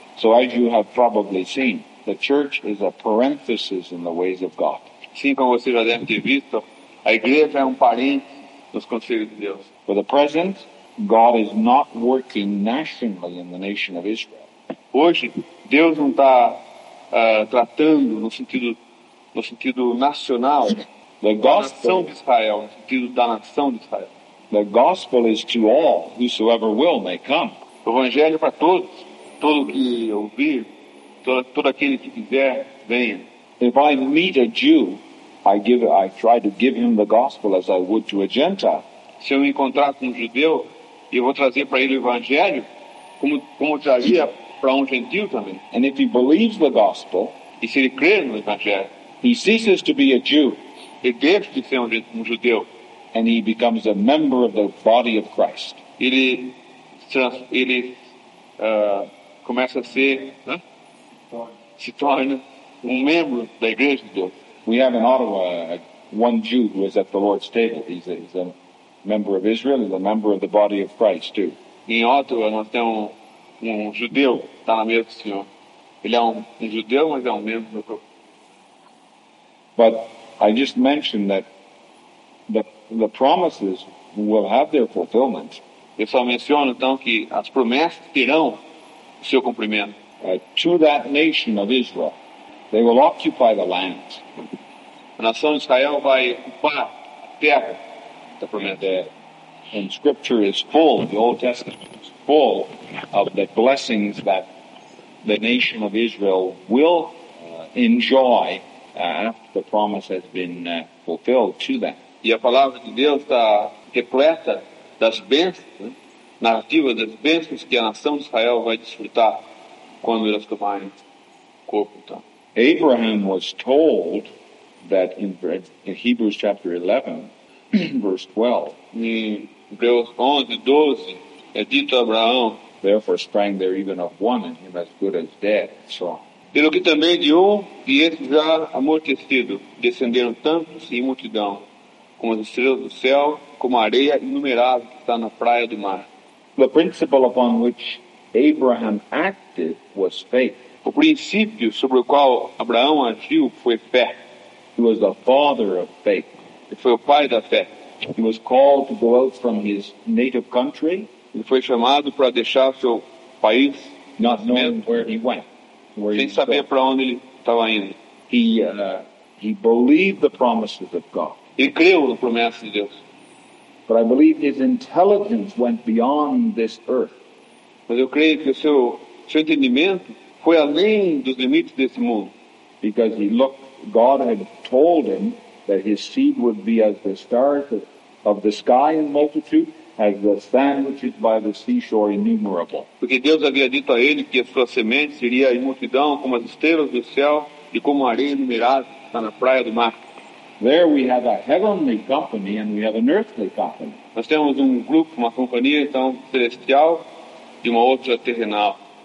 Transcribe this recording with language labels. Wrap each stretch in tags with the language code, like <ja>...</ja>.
<en>So as you have probably seen, the church is a parenthesis in the ways of God.</en> <pt>Sim, como você já deve ter visto, a igreja é um parênteses nos conselhos de Deus.</pt> <en>For the present, God is not working nationally in the nation of Israel.</en> <pt>Hoje, Deus não está tratando no sentido nacional.</pt> <en>The gospel,</en> <pt>da nação de Israel, no sentido da nação de Israel.</pt> <en>The gospel is to all, whosoever will may come.</en> <pt>O evangelho é para todos, todo que ouvir, todo aquele que quiser, venha.</pt> <en>If I meet a Jew, I try to give him the gospel as I would to a Gentile.</en> <pt>Se eu me encontrar com um judeu, eu vou trazer para ele o evangelho, como traria para um gentil também.</pt> <en>And if he believes the gospel,</en> <pt>e se ele crer no evangelho,</pt> <en>he ceases to be a Jew,</en> <pt>ele deixa de ser um judeu,</pt> <en>and he becomes a member of the body of Christ.</en> <pt>Ele se torna um membro da igreja de Deus.</pt> <en>We have in Ottawa one Jew who is at the Lord's table. He's a member of Israel. He's a member of the body of Christ too.</en> <pt>Em Ottawa nós temos um judeu está na mesa do Senhor. Ele é um judeu, mas é um membro do corpo.</pt> <en>But I just mentioned that the promises will have their fulfillment.</en> <pt>Eu só menciono então que as promessas terão seu cumprimento.</pt> <en>To that nation of Israel, they will occupy the land.</en> <pt>A nação de Israel vai ocupar a terra da promessa.</pt> <en>And Scripture is full, the Old Testament is full of the blessings that the nation of Israel will enjoy after the promise has been fulfilled to them.</en> <pt>E a palavra de Deus está repleta das bênçãos, narrativa das bênçãos que a nação de Israel vai desfrutar quando eles tomarem corpo. Então.</pt> <en>Abraham was told that in Hebrews chapter 11, verse 12,</en> <pt>Hebreus 11, 12, é dito a Abraão,</pt> <en>therefore sprang there even of one, and him as good as dead. So,</en> <pt>pelo que também de um, e esse já amortecido, descenderam tantos em multidão, como as estrelas do céu, como a areia inumerável que está na praia do mar.</pt> <en>The principle upon which Abraham acted was faith.</en> <pt>O princípio sobre o qual Abraão agiu foi fé.</pt> <en>He was the father of faith.</en> <pt>Ele foi o pai da fé.</pt> <en>He was called to go out from his native country.</en> <pt>Ele foi chamado para deixar seu país,</pt> <en>not knowing where he went, where</en> <pt>sem saber para onde ele estava indo.</pt> <en>He believed the promises of God.</en> <pt>Ele creu na promessa de Deus.</pt> <en>But I believe his intelligence went beyond this earth.</en> <pt>Mas eu creio que o seu entendimento foi além dos limites desse mundo.</pt> <en>Because he looked, God had told him that his seed would be as the stars of the sky in multitude, as the sand which is by the seashore innumerable.</en> <pt>Porque Deus havia dito a ele que a sua semente seria em multidão, como as estrelas do céu e como a areia inumerável na praia do mar.</pt> <en>There we have a heavenly company and we have an earthly company.</en> <pt>Nós temos um grupo, uma companhia então celestial e uma outra terrenal.</pt>